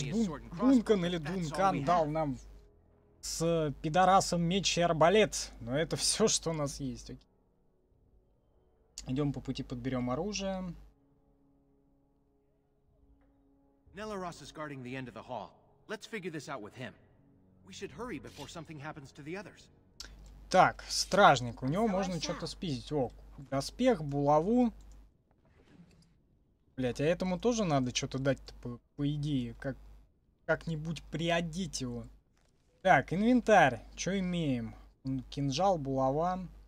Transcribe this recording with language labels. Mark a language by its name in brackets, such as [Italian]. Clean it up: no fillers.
[Russian] Дункан или Дункан дал нам с пидорасом меч и арбалет. Но это все, что у нас есть. Окей. Идем по пути, подберем оружие. [English] Nella Ross is guarding the end of the hall. Let's figure this out with him. We should hurry before something happens to the others. [Russian] Так, стражник, у него можно что-то спиздить. О, доспех, булаву. Блять, а этому тоже надо что-то дать по идее. Как-нибудь приодеть его. Так, инвентарь. Что имеем? Кинжал, булава.